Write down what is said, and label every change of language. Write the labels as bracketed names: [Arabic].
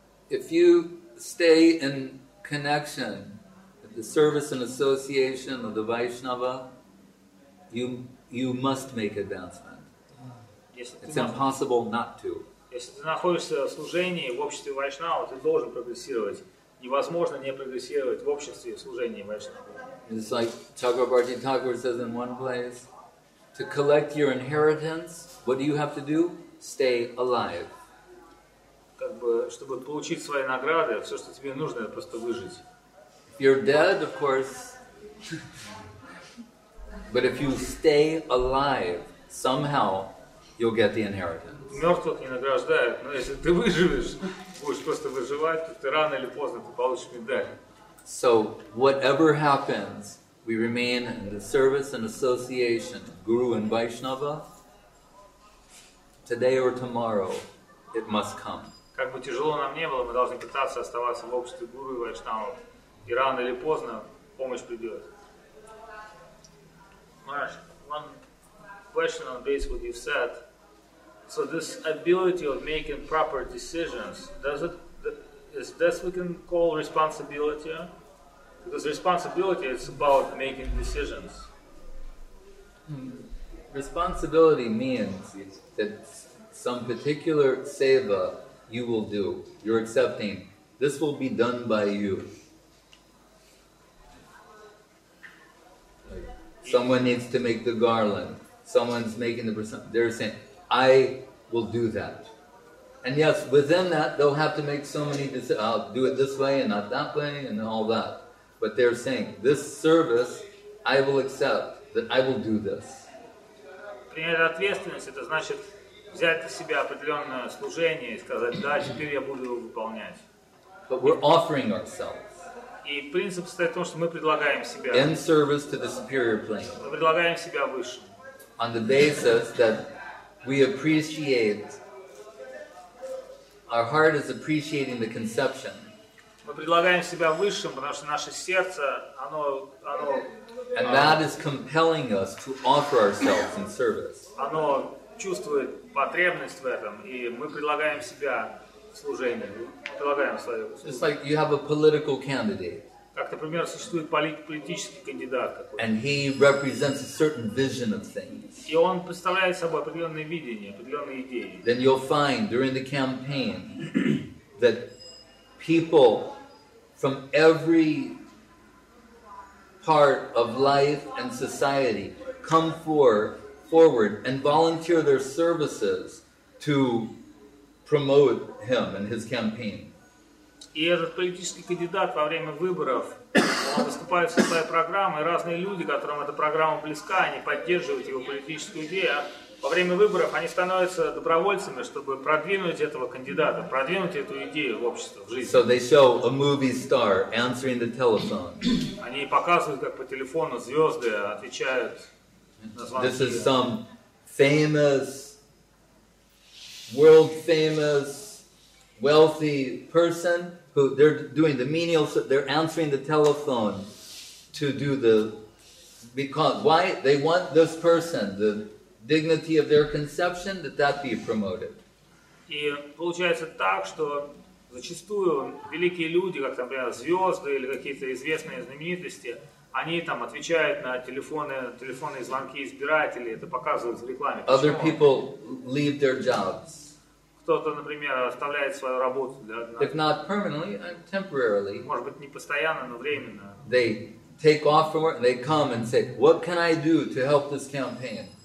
[English] If you stay in connection with the service and association of the Vaishnava, you must make advancement. It's impossible not to. [Russian] Если ты находишься в служении в обществе Вайшнава, ты должен прогрессировать. Невозможно не прогрессировать в обществе в служении Вайшнава. [English] It's like Chakrabarti Thakur says in one place, to collect your inheritance, what do you have to do? Stay alive. [Russian] Как бы, чтобы получить свои награды, все, что тебе нужно, это просто выжить. [English] If you're dead, of course. But if you stay alive, somehow, you'll get the inheritance. [Russian] Мертвых не награждают, но если ты выживешь, будешь просто выживать, то ты рано или поздно ты получишь медаль. [English] So, whatever happens, we remain in the service and association of Guru and Vaishnava, today or tomorrow, it must come. [Russian] Как бы тяжело нам не было, мы должны пытаться оставаться в обществе Гуру и Вайшнава. И рано или поздно помощь придет. [English] Маш, one question on base what you've said. So this ability of making proper decisions, is this we can call responsibility? Because responsibility is about making decisions. Responsibility means that some particular seva you will do. You're accepting. This will be done by you. Someone needs to make the garland. Someone's making the person. They're saying, I will do that. And yes, within that, they'll have to make so many decisions. I'll do it this way and not that way and all that. But they're saying, this service, I will accept that I will do this. [Russian] Принять ответственность, это значит взять на себя определенное служение и сказать, да, теперь я буду его выполнять. [English] But we're offering ourselves. [Russian] И принцип состоит в том, что мы предлагаем себя. [English] In service to the superior plane. [Russian] Мы предлагаем себя выше. [English] On the basis that we appreciate, our heart is appreciating the conception. [Russian] Мы предлагаем себя высшим, потому что наше сердце, оно [English] And that is compelling us to offer ourselves in service. [Russian] Оно чувствует потребность в этом, и мы предлагаем себя в служение. Мы предлагаем свою услугу. [English] It's like you have a political candidate. [Russian] Как, например, существует политический кандидат какой-то. [English] And he represents a certain vision of things. [Russian] И он представляет собой определенное видение, определенные идеи. [English] Then you'll find during the campaign that people from every part of life and society come forward and volunteer their services to promote him and his campaign. [Russian] И этот политический кандидат во время выборов он выступает со своей программой, и разные люди, которым эта программа близка, они поддерживают его политическую идею. Во время выборов они становятся добровольцами, чтобы продвинуть этого кандидата, продвинуть эту идею в общество, в жизнь. [English] So they show a movie star answering the telephone. [Russian] Они показывают, как по телефону звезды отвечают на звонки. [English] This is some famous, world famous, wealthy person who they're doing the menial, they're answering the telephone to do the, because why they want this person, the dignity of their conception, that be promoted. [Russian] И получается так, что зачастую великие люди, как, например, звезды или какие-то известные знаменитости, они там отвечают на телефонные звонки избирателей, это показывают в рекламе. Почему? [English] Other people leave their jobs. [Russian] Кто-то, например, оставляет свою работу для одного. [English] If not permanently, temporarily. [Russian] Может быть, не постоянно, но временно. [English] They take off from work, they come and say, what can I do to help this campaign?